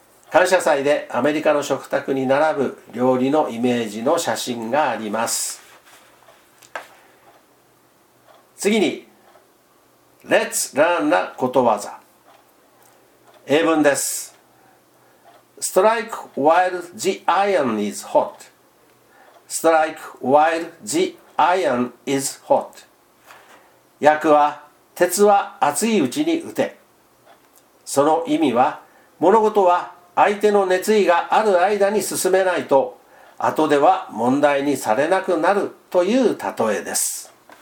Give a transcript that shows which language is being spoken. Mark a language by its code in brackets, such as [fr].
[ja] 感謝祭でアメリカの食卓に並ぶ料理のイメージの写真があります。次に [en] Let's learn [ja] なことわざ、英文です。 [en] Strike while the iron is hot. Strike while the iron is hot. [ja] 訳は、鉄は熱いうちに打て。その意味は、物事は相手の熱意がある間に進めないと、後では問題にされなくなるという例えです。